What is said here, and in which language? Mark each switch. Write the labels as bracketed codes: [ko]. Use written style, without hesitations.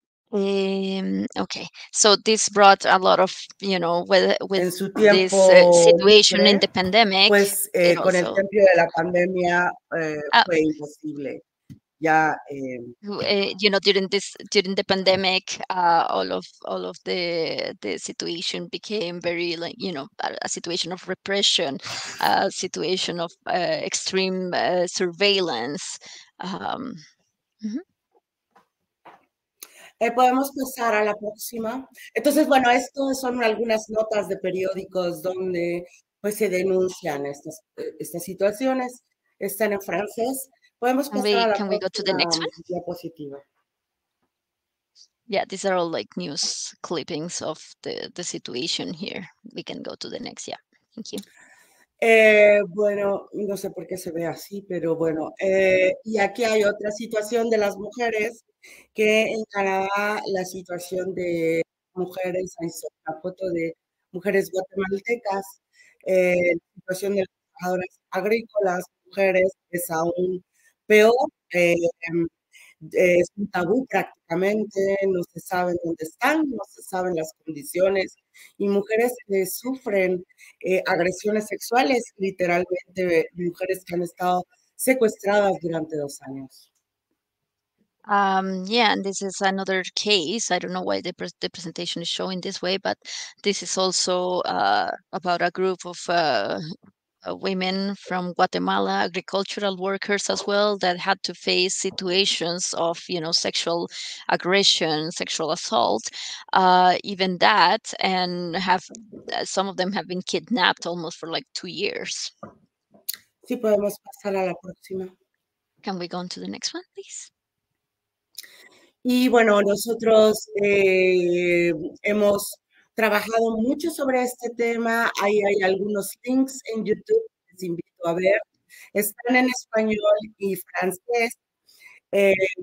[en] Okay, so this brought a lot of, you know, with [es] en su tiempo, [en] this situation in the pandemic. [es] Pues, con el tiempo de la pandemia, fue imposible. Ya, [en] you know, during the pandemic, all of the situation became very, like, you know, a situation of repression, a situation of extreme surveillance. [es] Podemos pasar a la próxima. Entonces, bueno, esto son algunas notas de periódicos donde pues se denuncian estas situaciones. Están en francés. [en] Can we go to the next one? [es] Diapositiva. [en] Yeah, these are all like news clippings of the situation here. We can go to the next, yeah. Thank you. [es] Bueno, no sé por qué se ve así, pero bueno. Y aquí hay otra situación de las mujeres, que en Canadá la situación de mujeres, hay una foto de mujeres guatemaltecas, la situación de las trabajadoras agrícolas, mujeres, es aún peor, es un tabú prácticamente, no se sabe dónde están, no se saben las condiciones, y mujeres que sufren agresiones sexuales, literalmente, mujeres que han estado secuestradas durante 2 años. [en] Yeah, and this is another case. I don't know why the presentation is showing this way, but this is also about a group of women from Guatemala, agricultural workers as well, that had to face situations of, you know, sexual aggression, sexual assault, even that, and have some of them have been kidnapped almost for like 2 years. [es] Sí, podemos pasar a la próxima. [en] Can we go on to the next one, please? [es] Y bueno, nosotros hemos trabajado mucho sobre este tema. Ahí hay algunos links en YouTube, les invito a ver. Están en español y francés.